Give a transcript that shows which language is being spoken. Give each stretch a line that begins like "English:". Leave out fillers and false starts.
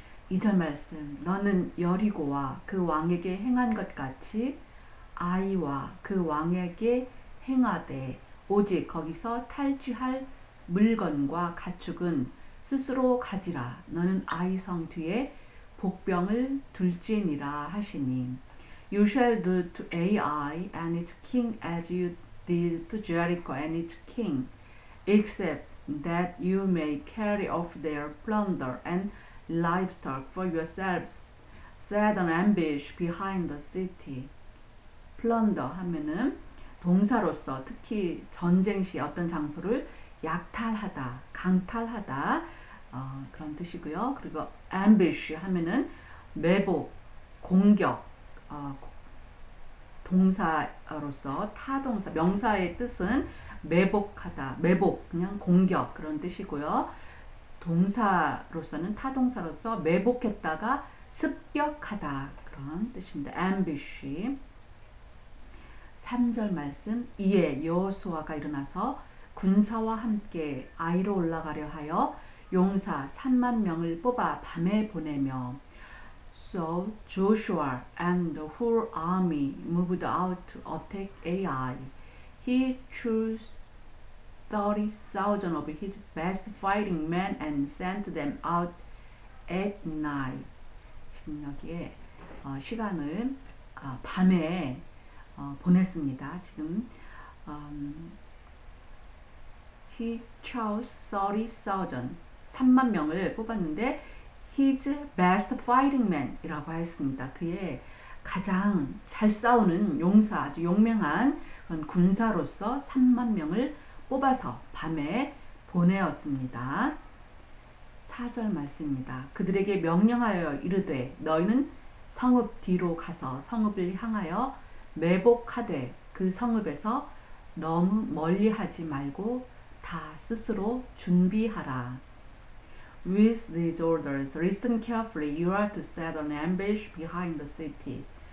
Korean: 2절 말씀, 너는 여리고와 그 왕에게 행한 것 같이 아이와 그 왕에게 행하되 오직 거기서 탈취할 물건과 가축은 스스로 가지라. 너는 아이 성 뒤에 복병을 둘지니라 하시니.
English: You shall do to Ai and its king as you did to Jericho and its king, except that you may carry off their plunder and livestock for yourselves, set an ambush behind the city.
Korean: Plunder 하면은 동사로서 특히 전쟁 시 어떤 장소를 약탈하다, 강탈하다 그런 뜻이고요. 그리고 ambush 하면은 매복, 공격, 동사로서 타동사, 명사의 뜻은 매복하다, 매복 그냥 공격 그런 뜻이고요. 동사로서는 타동사로서 매복했다가 습격하다 그런 뜻입니다.
English: ambush.
Korean: 3절 말씀, 이에 여호수아가 일어나서 군사와 함께 아이로 올라가려 하여 용사 3만 명을 뽑아 밤에 보내며
English: So Joshua and the whole army moved out to attack Ai. He chose 30,000 of his best fighting men and sent them out at night.
Korean: 여기에 시간을 밤에 보냈습니다. 지금
English: he chose 30,000,
Korean: 3만 명을 뽑았는데
English: his best fighting man
Korean: 이라고 했습니다. 그의 가장 잘 싸우는 용사, 아주 용맹한 그런 군사로서 3만 명을 뽑아서 밤에 보내었습니다. 4절 말씀입니다. 그들에게 명령하여 이르되 너희는 성읍 뒤로 가서 성읍을 향하여 매복하되 그 성읍에서 너무 멀리하지 말고 다 스스로 준비하라.
English: With these orders, listen carefully. You are to set an ambush behind the city.